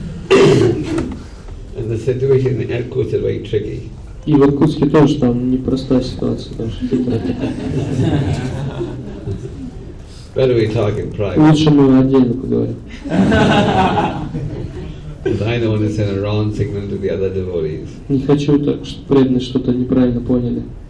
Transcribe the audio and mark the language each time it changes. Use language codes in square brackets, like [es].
[en] And the situation in Irkutsk is very tricky. [ru] И в Иркутске тоже там непростая ситуация, там же хитрая. [en] Better we talk in private. [ru] Лучше мы отдельно поговорим. [en] Because I don't want to send a wrong signal to the other devotees. [ru] Не хочу так, чтобы преданные что-то неправильно поняли.